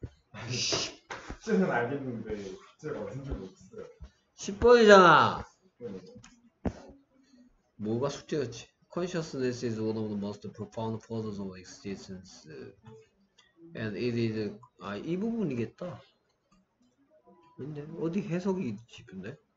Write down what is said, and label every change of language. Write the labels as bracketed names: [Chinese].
[Korean] 아니, 숙제는 알겠는데 숙제가 어딘지 모르겠어요. 10번이잖아. 뭐가 숙제였지? [English] Consciousness is one of the most profound forces of existence. And it is... [Korean] 아, 이 부분이겠다. 근데 어디 해석이 싶은데?